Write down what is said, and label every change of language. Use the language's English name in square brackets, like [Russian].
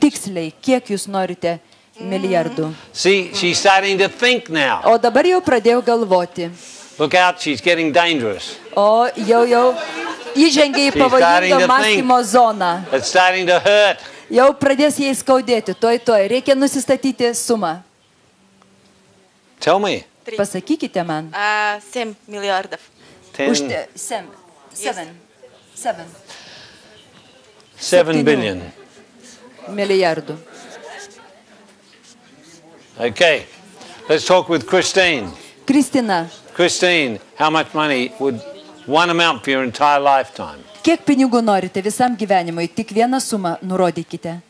[Lithuanian] Tiksliai, kiek jūs norite milijardų. [English] See, she's starting to think now. [Lithuanian] O dabar jau pradėjo galvoti. [English] Look out, she's getting dangerous. [Lithuanian] O jau įžengė į pavojingą mąstymo zoną. [English] It's starting to hurt. [Lithuanian] Jau pradės jai skaudėti, toj, reikia nusistatyti sumą. [English] Tell me. [Lithuanian] Pasakykite man. [Russian] 7 milijardov. [English] 7 billion. [Lithuanian] Milijardų. [English] Okay. Let's talk with Christine. [Lithuanian] Kristina. [English] Christine, how much money would one amount for your entire lifetime? [Lithuanian] Kiek pinigų norite visam gyvenimui? Tik vieną sumą nurodykite.